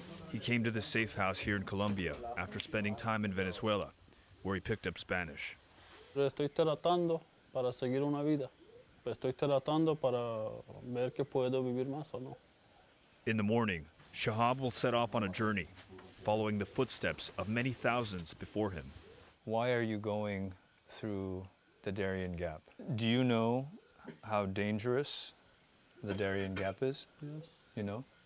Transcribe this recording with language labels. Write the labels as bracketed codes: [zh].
[en] He came to the safe house here in Colombia after spending time in Venezuela, where he picked up Spanish. [es] Estoy tratando para seguir una vida. Estoy tratando para ver que puedo vivir más o no. [en] In the morning, Shahab will set off on a journey, following the footsteps of many thousands before him. Why are you going through the Darien Gap? Do you know how dangerous the Darien Gap is? Yes. You know?